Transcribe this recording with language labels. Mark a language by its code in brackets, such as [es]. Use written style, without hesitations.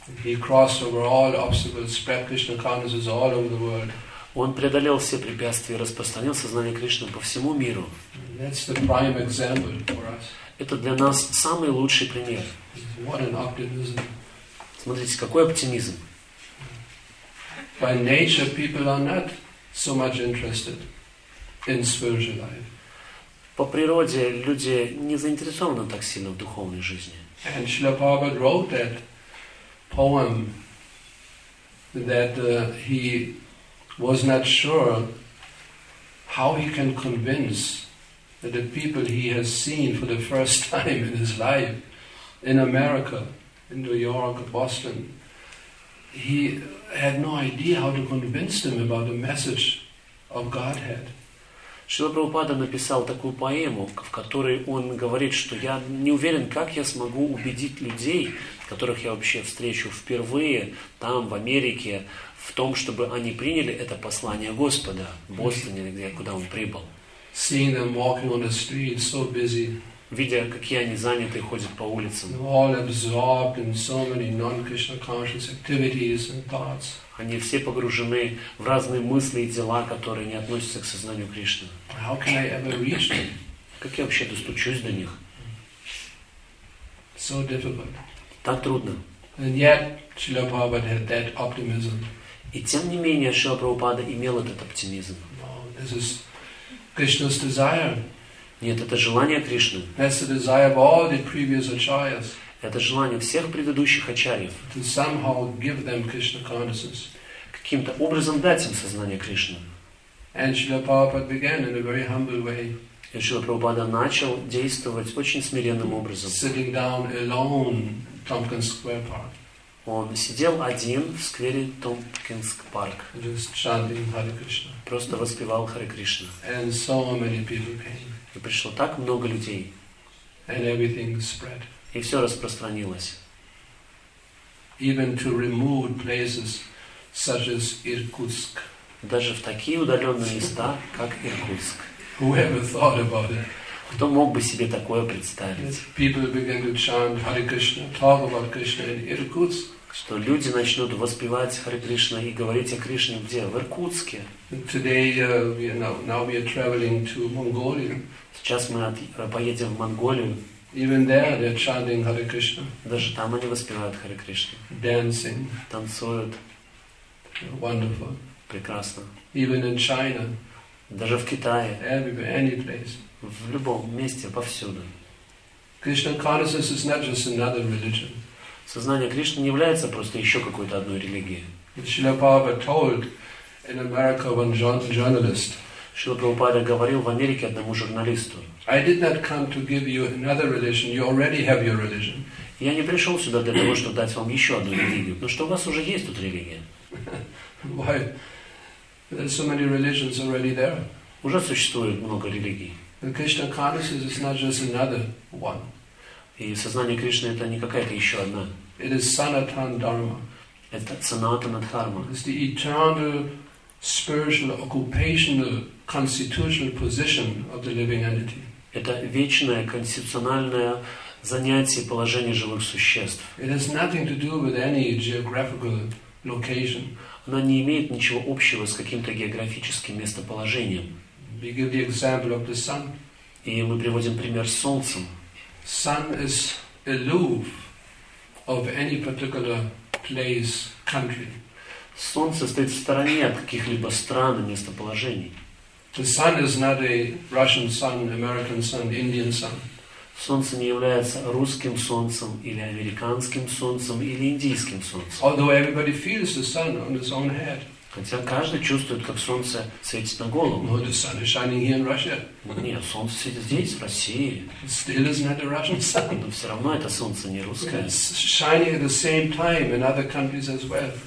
[en] He crossed over all obstacles, spread Krishna consciousness all over the world. [ru] Он преодолел все препятствия и распространил сознание Кришны по всему миру. [en] That's the prime example for us. [ru] Это для нас самый лучший пример. [en] What an optimism. [ru] Смотрите, какой оптимизм. [en] By nature, people are not so much interested in spiritual life. [ru] По природе люди не заинтересованы так сильно в духовной жизни. [en] And Srila Prabhupada wrote that poem that he was not sure how he can convince that the people he has seen for the first time in his life in America, in New York, Boston, he had no idea how to convince them about the message of Godhead. [ru] Шрила Прабхупада написал такую поэму, в которой он говорит, что я не уверен, как я смогу убедить людей, которых я вообще встречу впервые там, в Америке, в том, чтобы они приняли это послание Господа в Бостоне, куда он прибыл. [en] Seeing them walking on the street, so busy. [ru] Видя, какие они заняты, ходят по улицам. [en] All absorbed in so many non-Krishna conscious activities and thoughts. [ru] Они все погружены в разные мысли и дела, которые не относятся к сознанию Кришны. [en] How can I ever reach them? [ru] Как я вообще достучусь до них? [en] So difficult. [ru] Так трудно. [en] And yet, Srila Prabhupada had that optimism. [ru] И тем не менее, Шрила Прабхупада имел этот оптимизм. [en] Well, this is Krishna's desire. [ru] Нет, это желание Кришны. [en] That's the desire of all the previous acharyas. [ru] Это желание всех предыдущих ачарьев. [en] To somehow give them Krishna consciousness. [ru] Каким-то образом дать им сознание Кришны. [en] And Srila Prabhupada began in a very humble way. [ru] И Шрила Прабхупада начал действовать очень смиренным образом. [en] Sitting down alone in Tompkins Square Park. [ru] Он сидел один в сквере Tompkins Park. [en] Just chanting Hare Krishna. [ru] Просто воспевал Харе Кришна. [en] And so many people came. [ru] И пришло так много людей. [en] And everything spread. [ru] И все распространилось. [en] Even to remote places, such as Irkutsk. [ru] Даже в такие удаленные места, как Иркутск. [en] Whoever thought about it? [ru] Кто мог бы себе такое представить? [en] People began to chant Hare Krishna, talk about Krishna in Irkutsk. [ru] Что люди начнут воспевать Харе Кришна и говорить о Кришне где? В Иркутске. [en] Today, now we are traveling to Mongolia. [ru] Сейчас мы поедем в Монголию. [en] Even there they are chanting Hare Krishna. [ru] Даже там они воспевают Харе Кришну. [en] Dancing. [ru] Танцуют. [en] Wonderful. [ru] Прекрасно. [en] Even in China. [ru] Даже в Китае. [en] Everywhere, any place. [ru] В любом месте, повсюду. [en] Krishna consciousness is not just another religion. [ru] Сознание Кришны не является просто еще какой-то одной религией. [en] Srila Prabhupada told an American journalist. [ru] Шрила Прабхупада говорил в Америке одному журналисту. [en] I did not come to give you another religion. You already have your religion. [ru] Я не пришел сюда для того, чтобы дать вам еще одну религию. Но что у вас уже есть тут религия? [en] Why? There's so many religions already there. [ru] Уже существует много религий. [en] The Krishna consciousness is not just another one. [ru] И сознание Кришны это не какая-то еще одна. [en] It is Sanatan Dharma. [ru] Это Санатана Дхарма. [en] It's the eternal spiritual occupational constitutional position of the living entity. [ru] Это вечное конституциональное занятие положение живых существ. [en] It has nothing to do with any geographical location. [ru] Оно не имеет ничего общего с каким-то географическим местоположением. [en] We give the example of the sun. [ru] И мы приводим пример с солнцем. [en] Sun is aloof of any particular place, country. [ru] Солнце стоит в стороне от каких-либо стран и местоположений. [en] The sun is not a Russian sun, American sun, Indian sun. [ru] Солнце не является русским солнцем или американским солнцем или индийским солнцем. [en] Although everybody feels the sun on his own head. [ru] Хотя каждый чувствует, как солнце светит на голову. [en] No, the sun is shining here in Russia. [ru] Нет, солнце светит здесь, в России. [en] Still is not a Russian sun. [ru] Но все равно это солнце не русское. [en] It's shining at the same time in other countries as well.